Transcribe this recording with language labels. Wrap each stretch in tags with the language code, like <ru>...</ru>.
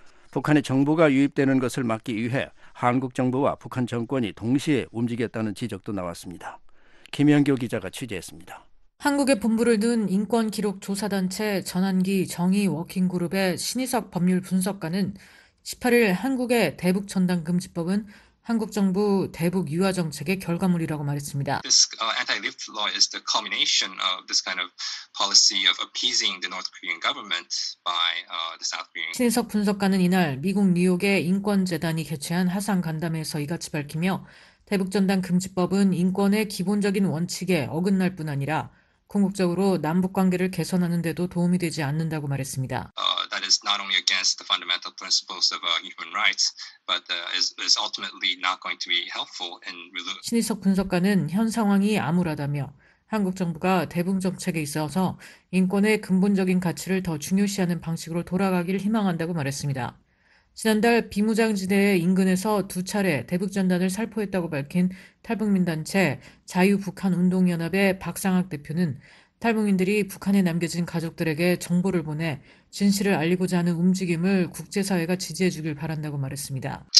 <ko>북한의 정부가 유입되는 것을 막기 위해 한국 정부와 북한 정권이 동시에 움직였다는 지적도 나왔습니다. 김영교 기자가 취재했습니다. 한국의 본부를 둔 인권기록조사단체 전환기 정의 워킹그룹의 신희석 법률분석가는 18일 한국의 대북전단금지법은 한국 정부 대북 유화 정책의 결과물이라고 말했습니다.</ko> <en>This anti-lift law is the culmination of this kind of policy of appeasing the North Korean government by the South Korean.</en> <ko>신석 분석가는 이날 미국 뉴욕의 인권재단이 개최한 화상 간담회에서 이같이 밝히며 대북 전단 금지법은 인권의 기본적인 원칙에 어긋날 뿐 아니라 궁극적으로 남북 관계를 개선하는 데도 도움이 되지 않는다고 말했습니다.</ko> <en>That is not only against the fundamental principles of human rights, but is ultimately not going to be helpful in.</en> <ko>신희석 분석가는 현 상황이 암울하다며 한국 정부가 대북 정책에 있어서 인권의 근본적인 가치를 더 중요시하는 방식으로 돌아가길 희망한다고 말했습니다. 지난달 비무장지대 인근에서 두 차례 대북 전단을 살포했다고 밝힌 탈북민단체 자유북한운동연합의 박상학 대표는 탈북민들이 북한에 남겨진 가족들에게 정보를 보내 진실을 알리고자 하는 움직임을 국제사회가 지지해 주길 바란다고 말했습니다.</ko>